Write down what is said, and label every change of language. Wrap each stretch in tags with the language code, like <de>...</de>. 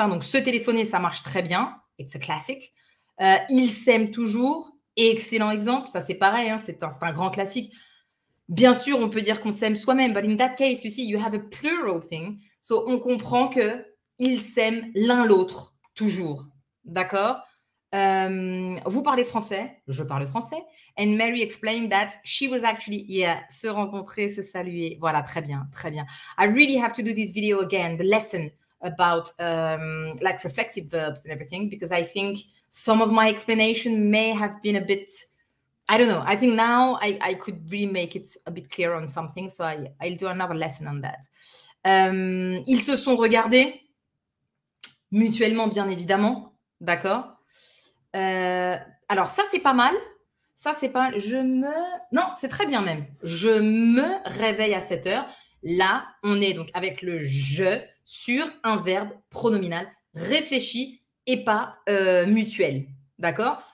<fr>Hein. Donc, se téléphoner, ça marche très bien.</fr> <en>It's a classic.</en> <fr>Ils s'aiment toujours. Excellent exemple. Ça, c'est pareil. Hein. C'est un grand classique. Bien sûr, on peut dire qu'on s'aime soi-même.</fr> <en>But in that case, you see, you have a plural thing.</en> <fr>So, on comprend qu'ils s'aiment l'un l'autre toujours. D'accord ? Vous parlez français, je parle français.</fr> <en>And Mary explained that she was actually here,</en> <fr>se rencontrer, se saluer. Voilà, très bien, très bien.</fr> <en>I really have to do this video again, the lesson about like reflexive verbs and everything, because I think some of my explanation may have been a bit, I don't know. I think now I could really make it a bit clearer on something, so I'll do another lesson on that.</en> <fr>Ils se sont regardés mutuellement, bien évidemment, d'accord. Alors ça c'est pas mal, ça c'est pas mal. Non, c'est très bien même. Je me réveille à 7 heures. Là, on est donc avec le je sur un verbe pronominal réfléchi et pas mutuel, d'accord.</fr>